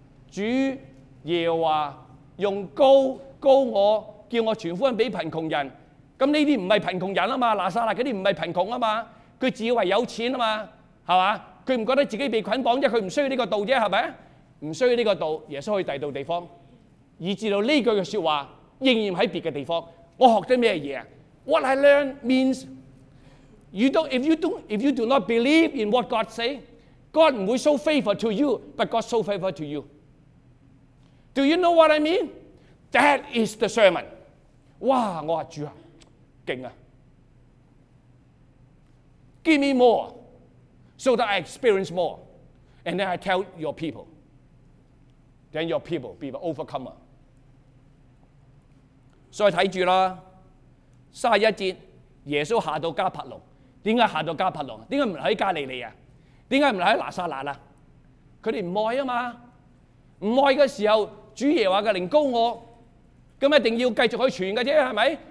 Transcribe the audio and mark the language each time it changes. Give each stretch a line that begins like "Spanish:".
Cantonese: 主耶和華用膏膏我，叫我傳福音俾貧窮人。咁呢啲唔係貧窮人啊嘛，拿撒勒嗰啲唔係貧窮啊嘛，佢自以為有錢啊嘛，係嘛？佢唔覺得自己被捆綁啫，佢唔需要呢個道啫，係咪？唔需要呢個道，耶穌去第二度地方，以至到呢句嘅説話。應驗在別的地方，我學咗咩嘢
English: ？What I learned means if you do not believe in what God say, God 唔會 show favor to you, but God show favor to you. Do you know what I mean? That is the sermon. 哇！
Cantonese: 我話主啊，勁啊
English: ！Give me more, so that I experience more, and then I tell your people. Then your people be the overcomer.
Cantonese: 所以睇住啦，三十一節，耶穌下到加帕隆，點解下到加帕隆？點解唔喺加利利啊？點解唔喺拿撒勒啊？佢哋唔愛啊嘛，唔愛嘅時候，主耶穌嘅靈高我，咁一定要繼續去傳嘅啫，係咪？